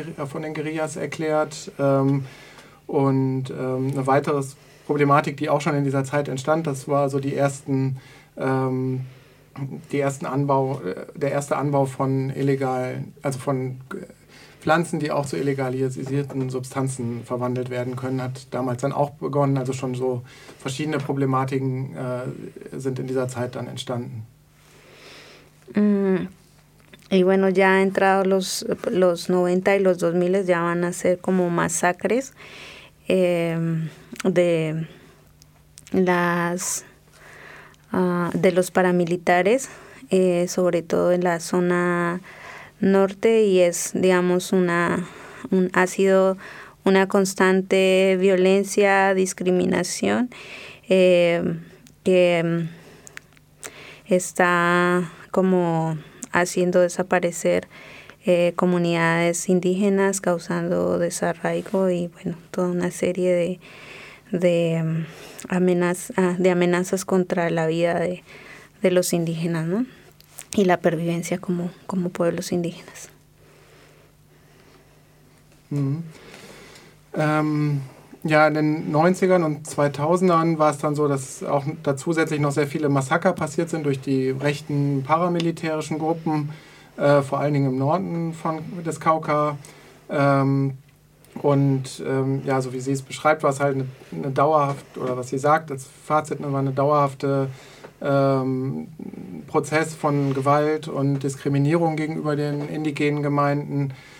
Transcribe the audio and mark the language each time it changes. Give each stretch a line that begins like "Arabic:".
German: von den Guerillas erklärt und ein weiteres Problematik, die auch schon in dieser Zeit entstand, das war so der erste Anbau von illegalen, also von Pflanzen, die auch zu illegalisierten Substanzen verwandelt werden können, hat damals dann auch begonnen. Also schon so verschiedene Problematiken sind in dieser Zeit dann entstanden.
Spanish: Y bueno, ya entrado los 90 y los 2000 ya van a ser como masacres de los paramilitares, sobre todo en la zona norte, y es, digamos, ha sido una constante violencia, discriminación, que está como haciendo desaparecer comunidades indígenas, causando desarraigo y, bueno, toda una serie de amenazas contra la vida de los indígenas, ¿no? Y la pervivencia como pueblos indígenas. Mm-hmm.
German: In den 90ern und 2000ern war es dann so, dass auch da zusätzlich noch sehr viele Massaker passiert sind durch die rechten paramilitärischen Gruppen, vor allen Dingen im Norden des Cauca. So wie sie es beschreibt, war es halt eine dauerhafte, oder was sie sagt, das Fazit war eine dauerhafte Prozess von Gewalt und Diskriminierung gegenüber den indigenen Gemeinden.